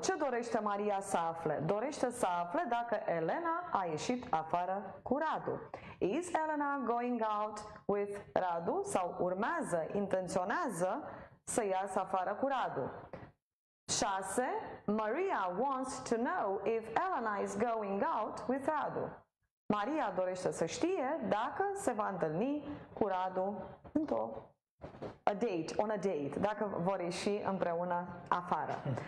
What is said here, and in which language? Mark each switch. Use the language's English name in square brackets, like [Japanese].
[Romanian] Ce dorește Maria să afle? Dorește să afle dacă Elena a ieșit afară cu Radu. [English] Is Elena going out with Radu? [Romanian] Sau urmează, intenționează să iasă afară cu Radu. 6. [English] Maria wants to know if Elena is going out with Radu. [Romanian] Maria dorește să știe dacă se va întâlni cu Radu într-o a date, [English] on a date, [Romanian] dacă vor ieși împreună afară.